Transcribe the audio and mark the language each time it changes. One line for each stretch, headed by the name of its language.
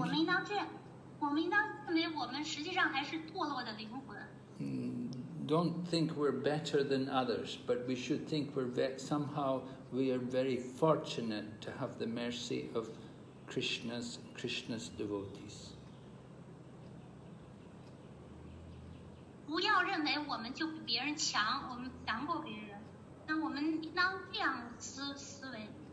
Chinese: 我们应当证明我们实际上还是堕落的灵魂。
English: Don't think we're better than others, but we should think somehow we are very fortunate to have the mercy of Krishna's devotees.
Chinese: 不要认为我们就比别人强，我们强过别人。那我们应当这样思维。